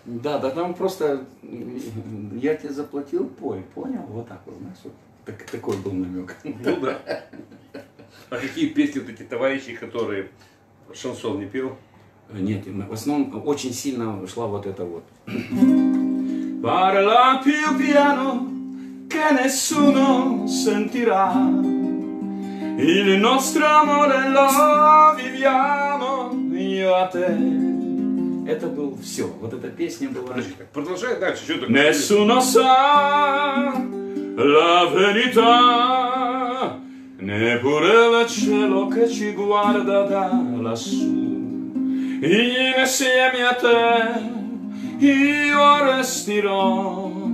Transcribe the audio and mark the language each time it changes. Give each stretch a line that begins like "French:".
Russian: Да, да там просто, я тебе заплатил, пой, понял? Вот так вот, знаешь, вот так, такой был намек. Ну да. А какие песни вот эти товарищи, которые шансон не пел? Нет, в основном очень сильно шла вот эта вот.
Italian: Parla più piano che nessuno sentirà, il nostro amore lo viviamo io a te.
Russian: Это был все, вот эта песня была. Продолжай дальше, что такое?
Italian: Nessuno sa la verità, neppure il cielo che ci guarda da lassù. Insieme a te io resterò.